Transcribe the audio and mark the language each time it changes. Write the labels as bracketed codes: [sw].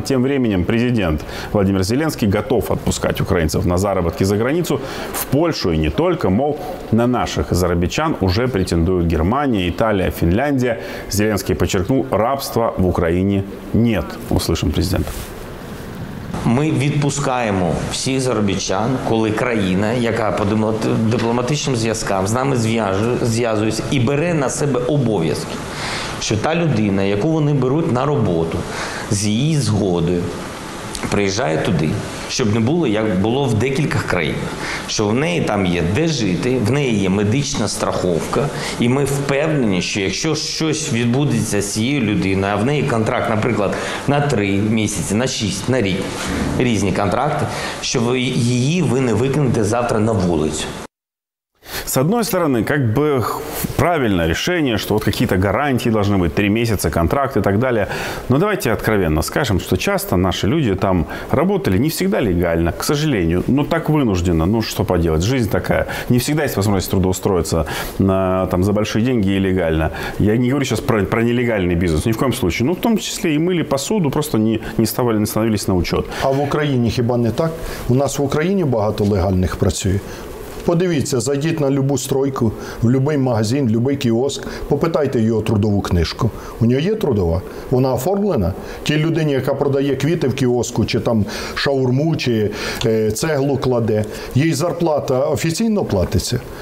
[ru] Тем временем президент Владимир Зеленский готов отпускать украинцев на заработки за границу в Польшу и не только. Мол, на наших зарубежчан уже претендуют Германия, Италия, Финляндия. Зеленский подчеркнул, рабства в Украине нет. Услышим президента. [uk] Ми відпускаємо всіх заробітчан, коли країна, яка по дипломатичним зв'язкам з нами зв'язується і бере на себе обов'язки, що та людина, яку вони беруть на роботу, з її згодою приїжджає туди, щоб не було, як було в декількох країнах, що в неї там є де жити, в неї є медична страховка, і ми впевнені, що якщо щось відбудеться з цією людиною, а в неї контракт, наприклад, на 3 місяці, на 6, на рік, різні контракти, що її ви не викинете завтра на вулицю. [ru] С одной стороны, как бы правильное решение, что вот какие-то гарантии должны быть, 3 месяца, контракт и так далее. Но давайте откровенно скажем, что часто наши люди там работали не всегда легально, к сожалению, но так вынужденно. Ну что поделать, жизнь такая. Не всегда есть возможность трудоустроиться там за большие деньги и легально. Я не говорю сейчас про нелегальный бизнес, ни в коем случае. Ну в том числе и мыли посуду, просто не становились на учет. А в Украине хиба не так? У нас в Украине много легальных працюет. [uk] Подивіться, зайдіть на будь-яку стройку, в будь-який магазин, будь-який кіоск, попитайте його трудову книжку. У нього є трудова? Вона оформлена? Ті людині, яка продає квіти в кіоску, чи там шаурму, чи цеглу кладе, їй зарплата офіційно платиться?